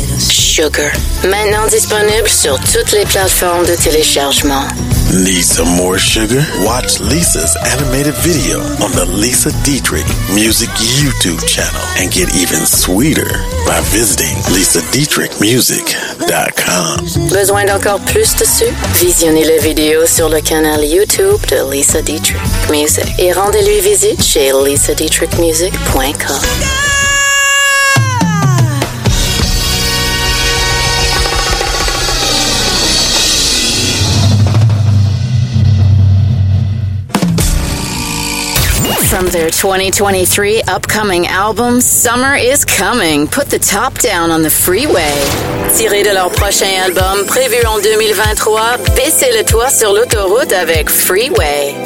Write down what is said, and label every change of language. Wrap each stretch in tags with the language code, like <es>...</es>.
<fr>Sugar, maintenant disponible sur toutes les plateformes de téléchargement.</fr> <en>Need some more sugar? Watch Lisa's animated video on the Lisa Dietrich Music YouTube channel and get even sweeter by visiting lisadietrichmusic.com.</en> <fr>Besoin d'encore plus de sucre? Visionnez la vidéo sur le canal YouTube de Lisa Dietrich Music et rendez-lui visite chez lisadietrichmusic.com.</fr> <en>From their 2023 upcoming album, Summer is Coming, Put the Top Down on the Freeway.</en> <fr>Tiré de leur prochain album, prévu en 2023, Baissez le toit sur l'autoroute avec Freeway.</fr>